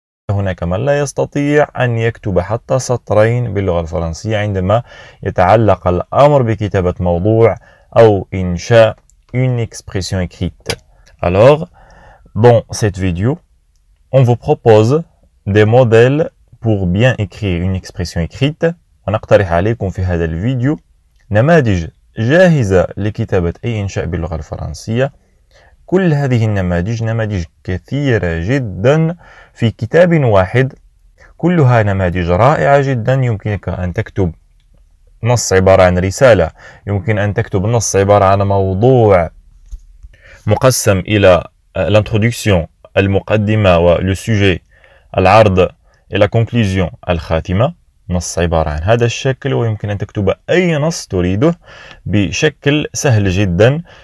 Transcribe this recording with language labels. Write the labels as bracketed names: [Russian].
[Arabic] هناك من لا يستطيع أن يكتب حتى سطرين باللغة الفرنسية عندما يتعلق الأمر بكتابة موضوع أو إنشاء [French] une expression écrite. Alors, dans cette vidéo, on vous propose des modèles pour bien écrire une expression écrite. [Arabic] ونقترح عليكم في هذا الفيديو نماذج جاهزة لكتابة أي إنشاء باللغة الفرنسية. كل هذه النماذج نماذج كثيرة جدا في كتاب واحد، كلها نماذج رائعة جدا. يمكنك أن تكتب نص عبارة عن رسالة، يمكن أن تكتب نص عبارة عن موضوع مقسم إلى الانترودكسيون المقدمة ولو سوجي العرض إلى كونكليزيون الخاتمة، نص عبارة عن هذا الشكل، ويمكن أن تكتب أي نص تريده بشكل سهل جدا.